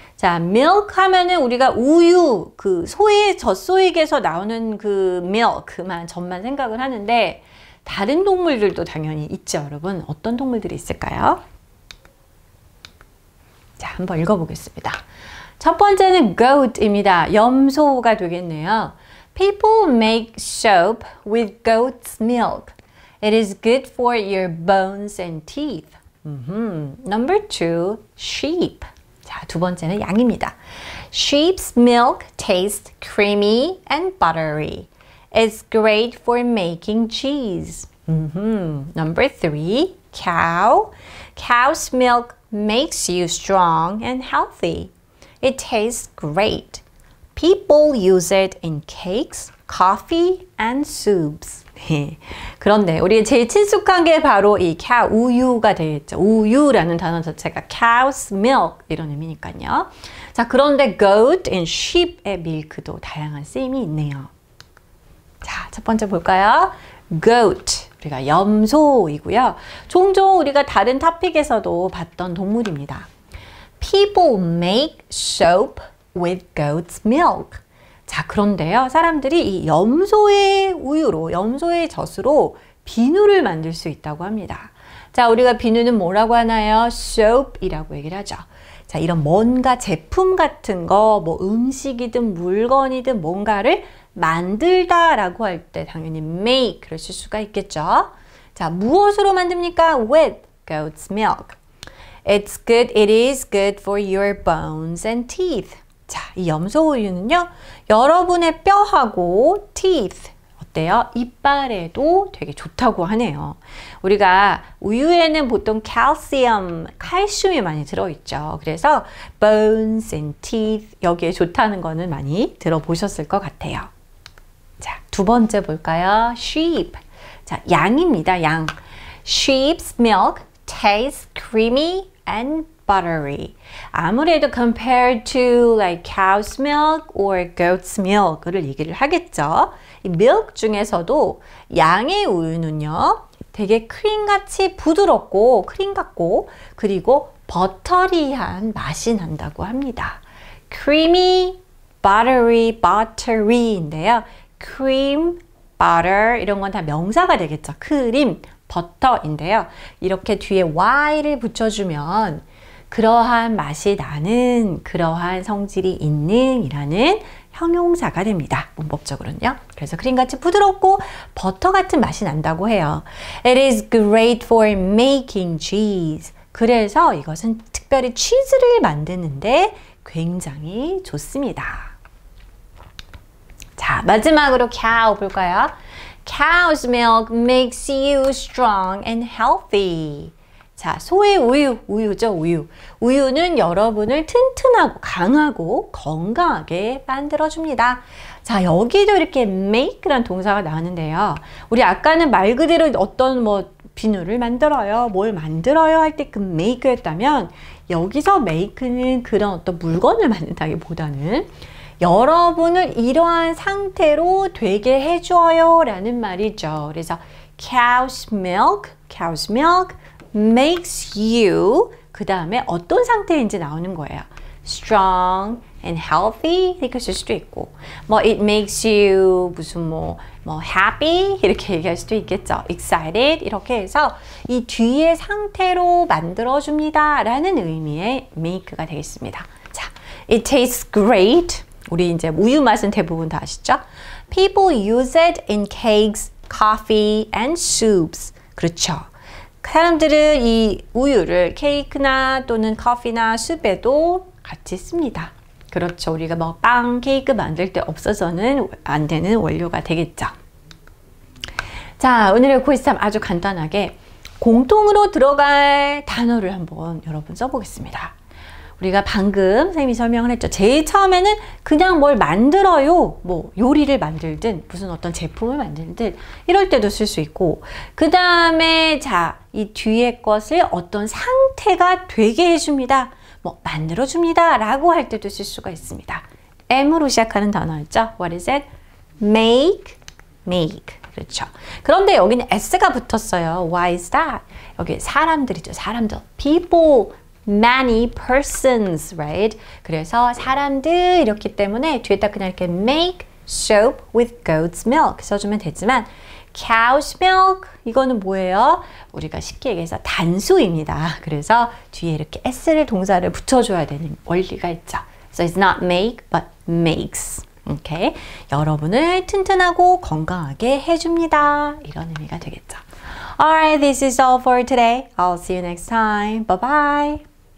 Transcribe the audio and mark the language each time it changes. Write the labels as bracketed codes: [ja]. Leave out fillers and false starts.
[ko] 자, milk 하면은 우리가 우유, 그 소의 젖소에게서 나오는 그 milk만 젖만 생각을 하는데 다른 동물들도 당연히 있죠, 여러분. 어떤 동물들이 있을까요? 자, 한번 읽어보겠습니다. 첫 번째는 goat입니다. 염소가 되겠네요. [en] People make soap with goat's milk. It is good for your bones and teeth. Number two, sheep. [ko] 자, 두 번째는 양입니다. [en] Sheep's milk tastes creamy and buttery. It's great for making cheese. Number three, cow. Cow's milk makes you strong and healthy. It tastes great. People use it in cakes, coffee, and soups. [ko] 네. 그런데 우리의 제일 친숙한 게 바로 이 cow, 우유가 되겠죠. 우유라는 단어 자체가 cow's milk 이런 의미니까요. 자, 그런데 goat and sheep의 milk도 다양한 쓰임이 있네요. 자, 첫 번째 볼까요? Goat, 우리가 염소이고요. 종종 우리가 다른 topic에서도 봤던 동물입니다. [en] People make soap with goat's milk. [ko] 자, 그런데요. 사람들이 이 염소의 우유로, 염소의 젖으로 비누를 만들 수 있다고 합니다. 자, 우리가 비누는 뭐라고 하나요? Soap이라고 얘기를 하죠. 자, 이런 뭔가 제품 같은 거, 뭐 음식이든 물건이든 뭔가를 만들다 라고 할 때 당연히 make 를 쓸 수가 있겠죠. 자, 무엇으로 만듭니까? [en] With goat's milk. It's good. It is good for your bones and teeth. [ko] 자, 이 염소 우유는요, 여러분의 뼈하고 teeth 어때요? 이빨에도 되게 좋다고 하네요. 우리가 우유에는 보통 calcium, 칼슘이 많이 들어있죠. 그래서 bones and teeth 여기에 좋다는 거는 많이 들어보셨을 것 같아요. 자, 두 번째 볼까요? Sheep. 자, 양입니다. 양. [en] Sheep's milk tastes creamy and buttery. [ko] 아무래도 [en] compared to like cow's milk or goat's milk를 [ko] 얘기를 하겠죠. 이 milk 중에서도 양의 우유는요, 되게 크림같이 부드럽고 크림 같고 그리고 버터리한 맛이 난다고 합니다. Creamy, buttery, buttery인데요. Cream, butter 이런 건 다 명사가 되겠죠. 크림, 버터인데요. 이렇게 뒤에 y를 붙여주면 그러한 맛이 나는, 그러한 성질이 있는 이라는 형용사가 됩니다. 문법적으로는요. 그래서 크림같이 부드럽고 버터같은 맛이 난다고 해요. [en] It is great for making cheese. [ko] 그래서 이것은 특별히 치즈를 만드는데 굉장히 좋습니다. 자, 마지막으로 cow 볼까요? [en] Cow's milk makes you strong and healthy. [ko] 자, 소의 우유, 우유죠, 우유. 우유는 여러분을 튼튼하고 강하고 건강하게 만들어줍니다. 자, 여기도 이렇게 make란 동사가 나왔는데요. 우리 아까는 말 그대로 어떤 뭐 비누를 만들어요, 뭘 만들어요 할 때 그 make 했다면 여기서 make는 그런 어떤 물건을 만든다기보다는 여러분을 이러한 상태로 되게 해줘요 라는 말이죠. 그래서 [en] cow's milk makes you [ko] 그 다음에 어떤 상태인지 나오는 거예요. strong and healthy 이렇게 쓸 수도 있고 뭐 it makes you 무슨 뭐 happy 이렇게 얘기할 수도 있겠죠. excited 이렇게 해서 이 뒤의 상태로 만들어줍니다 라는 의미의 make가 되겠습니다. [en] 자, it tastes great. [ko] 우리 이제 우유 맛은 대부분 다 아시죠? [en] People use it in cakes, coffee, and soups. [ko] 그렇죠. 사람들은 이 우유를 케이크나 또는 커피나 숲에도 같이 씁니다. 그렇죠. 우리가 뭐 빵, 케이크 만들 때 없어서는 안 되는 원료가 되겠죠. 자, 오늘의 코이스탐 아주 간단하게 공통으로 들어갈 단어를 한번 여러분 써보겠습니다. 우리가 방금 선생님이 설명을 했죠. 제일 처음에는 그냥 뭘 만들어요. 뭐 요리를 만들든 무슨 어떤 제품을 만들든 이럴 때도 쓸 수 있고 그 다음에 자, 이 뒤에 것을 어떤 상태가 되게 해줍니다. 뭐 만들어줍니다 라고 할 때도 쓸 수가 있습니다. M으로 시작하는 단어였죠. [en] What is it? Make, make. [ko] 그렇죠. 그런데 여기는 S가 붙었어요. [en] Why is that? [ko] 여기 사람들이죠. 사람들. [en] People, many persons, right? [ko] 그래서 사람들이었기 때문에 뒤에다 그냥 이렇게 [en] make soap with goat's milk [ko] 써주면 되지만 cow's milk 이거는 뭐예요? 우리가 쉽게 얘기해서 단수입니다. 그래서 뒤에 이렇게 s를 동사를 붙여줘야 되는 원리가 있죠. [en] So it's not make but makes. Okay. [ko] 여러분을 튼튼하고 건강하게 해줍니다. 이런 의미가 되겠죠. [en] Alright, this is all for today. I'll see you next time. Bye-bye.